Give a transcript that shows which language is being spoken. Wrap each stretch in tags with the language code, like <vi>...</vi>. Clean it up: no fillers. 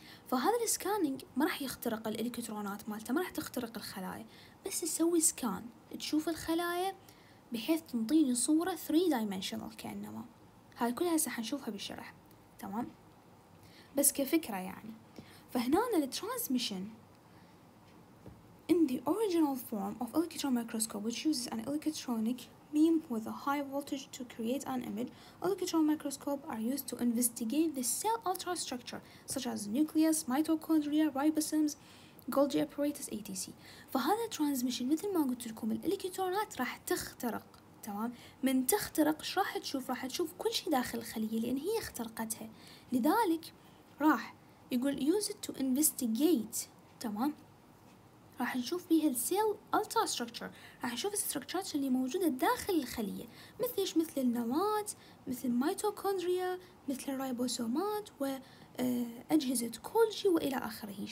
<ar>فهذا السكانينج ما راح يخترق الالكترونات مالته، ما راح تخترق الخلايا، بس يسوي سكان تشوف الخلايا بحيث تنطيني صوره 3 دايمنشنال، كانما هاي كلها هسه حنشوفها بالشرح، تمام؟ بس كفكره يعني. فهنا الترانسميشن</ar> <en>In the original form of electron microscope, which uses an electronic beam with a high voltage to create an image, electron microscopes are used to investigate the cell ultrastructure, such as nucleus, mitochondria, ribosomes, Golgi apparatus, etc.</en> <ar>فهذا transmission مثل ما قلت لكم الإلكترونات راح تخترق، تمام؟ من تخترق شو راح تشوف؟ راح تشوف كل شيء داخل الخلية لأن هي اخترقتها. لذلك راح يقول</ar> <en>use it to investigate،</en> <ar>تمام؟ راح نشوف بيها السيل ultrastructure، راح نشوف الستركتشرات اللي موجودة داخل الخلية، مثل إيش؟ مثل النواة، مثل ميتوكوندريا، مثل الرايبوسومات وأجهزة كولجي وإلى آخره.</ar>